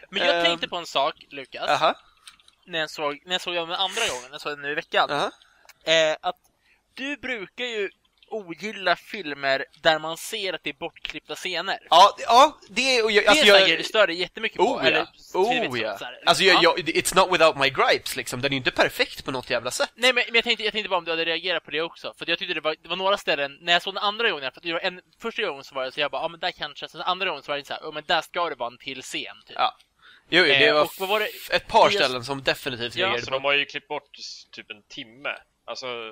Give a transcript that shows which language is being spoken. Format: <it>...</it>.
<sv>Men jag tänkte på en sak, Lukas. Uh-huh. När jag såg jag den andra gången, när jag såg den nu i veckan. Uh-huh. Att du brukar ju ogilla filmer där man ser att det är bortklippta scener. Ja, det är alltså, det stör dig jättemycket</sv> <en>it's not without my gripes</en> <sv>liksom. Den är ju inte perfekt på något jävla sätt. Nej, men jag tänkte bara om du hade reagerat på det också. För jag tyckte det var några ställen. När jag såg den andra gången, för att första gången så var det så jag bara, ja men där kanske. Sen andra gången så var det så här, men där ska det vara en till scen typ. Ja. Jo, det var ett par ställen som definitivt reagerade. Ja, så de har ju klippt bort typ en timme. Alltså,</sv>